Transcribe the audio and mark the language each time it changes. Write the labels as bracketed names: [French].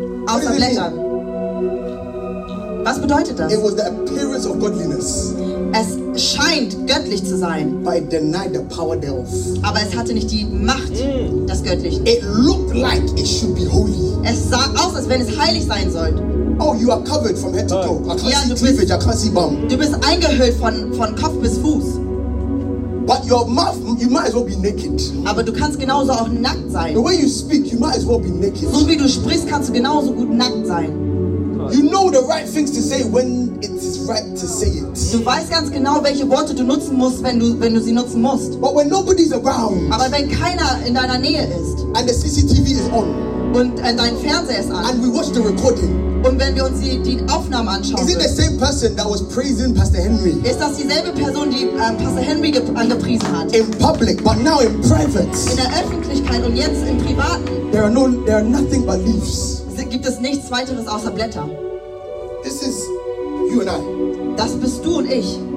[German] Außer Blättern. Was bedeutet das? [English] It was the appearance of godliness. [German] Es scheint göttlich zu sein. [English] But it denied the power thereof. [German] Aber es hatte nicht die Macht, das Göttliche. [English] It looked like it should be holy. [German] Es sah aus, als wenn es heilig sein sollte. [English] Oh, you are covered from head to toe. I can't see cleavage, I can't see bum. [German] Du bist eingehüllt von Kopf bis Fuß. [English] But your mouth, you might as well be naked. [German] Aber du kannst genauso auch nackt sein. [English] The way you speak, you might as well be naked. [German] So wie du sprichst, kannst du genauso gut nackt sein. [English] You know the right things to say when it is right to say it. [German] Du weißt ganz genau, welche Worte du nutzen musst, wenn du sie nutzen musst. [English] But when nobody's around. [German] Aber wenn keiner in deiner Nähe ist. [English] And the CCTV is on. [German] Und dein Fernseher ist an. [English] And we watch the recording. [German] Und wenn wir uns die Aufnahme anschauen. [English] Is it the same person that was praising Pastor Henry? [German] Ist das dieselbe Person, die Pastor Henry angepriesen hat? [English] In public, but now in private. [German] In der Öffentlichkeit und jetzt im Privaten. [English] There are nothing but leaves. [German] Gibt es nichts weiteres außer Blätter? [English] This is you and I. [German] Das bist du und ich.